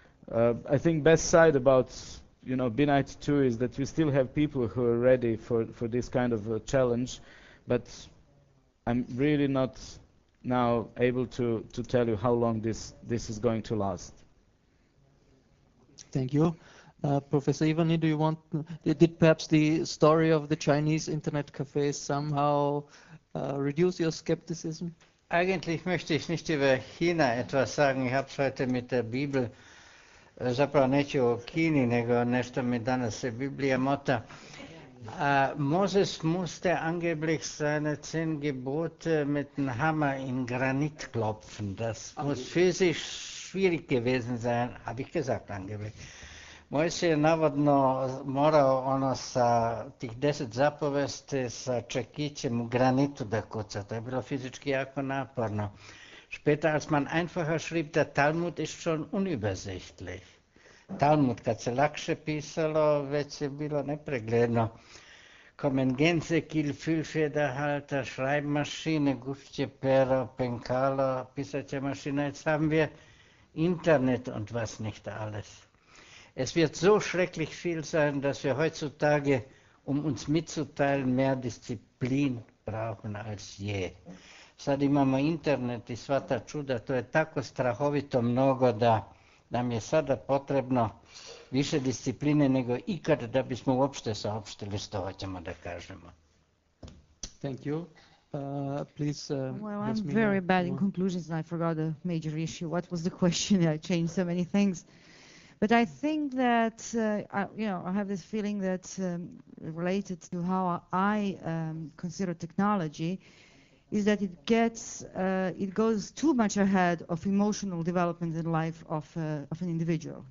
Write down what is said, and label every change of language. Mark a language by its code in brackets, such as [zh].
[en] I think best side about, you know, B92 is that we still have people who are ready for this kind of challenge, but I'm really not now able to tell you how long this is going to last. Thank you. Professor Ivani, do you want, did perhaps the story of the Chinese internet cafe somehow reduce your skepticism? [de] Eigentlich möchte ich nicht über China etwas sagen. Ich habe es heute mit der Bibel [sr] Zapravo neću o Kini, nego nešto mi danas se Biblija mota. [de] Moses musste angeblich seine 10 Gebote mit einem Hammer in Granit klopfen. Das muss physisch schwierig gewesen sein, habe ich gesagt angeblich. [sr] Mojs je navodno morao ono sa tih 10 zapovesti sa čekićem u granitu da kuca. To je bilo fizički jako naporno. [de] Später, als man einfacher schrieb, der Talmud ist schon unübersichtlich. [sr] Talmud, kad se lakše pisalo, već je bilo nepregledno. [de] Kommen Gänsekiel, Füllfederhalter, Schreibmaschine, [sr] Guftjepero, Penkalo, pisaće mašina, [de] jetzt haben wir Internet und was nicht alles. Es wird so schrecklich viel sein, dass wir heutzutage, um uns mitzuteilen, mehr Disziplin brauchen als je. [sr] Sad imamo internet i sva ta čuda, to je tako strahovito mnogo da nam je sada potrebno više discipline nego ikad da bismo uopšte saopštili što hoćemo da kažemo. [en] Thank you. Please, well, I'm very bad in conclusions and I forgot a major issue. What was the question? I changed so many things. But I think that, I have this feeling that related to how I consider technology, is that it gets, it goes too much ahead of emotional development in life of an individual.